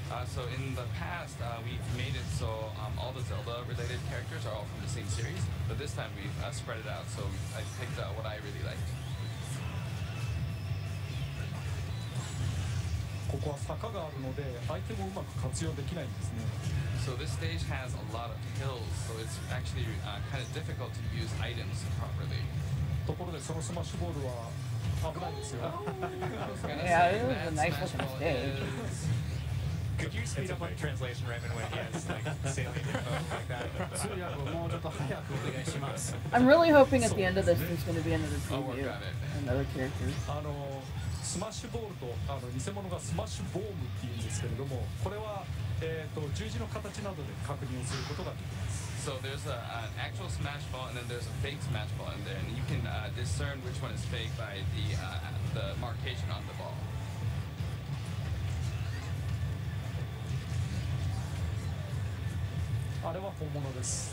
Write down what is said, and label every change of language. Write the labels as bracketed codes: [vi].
[en] So in the past, we've made it so all the Zelda-related characters are all from the same series, but this time we've spread it out, so I picked what I really liked. [ja] ここは坂があるので、相手もうまく活用できないんですね。 [en] So this stage has a lot of hills, so it's actually kind of difficult to use items properly. [ja] ところで、そのスマッシュボールは危ないですよ。 [en] Yeah, it was a nice Smash Ball stage. Could you speed up my translation, Raymond, when he has like sailing info like that? [ja] 通訳をもうちょっと早くお願いします。 [en] I'm really hoping at the end of this, there's going to be another preview. Oh, got it. Another character. [ja] スマッシュボールとあの偽物がスマッシュボームっていうんですけれども、これは、十字の形などで確認をすることができます。 [en] So there's an actual smash ball and then there's a fake smash ball in there, and you can discern which one is fake by the markation on the ball. [ja] あれは本物です。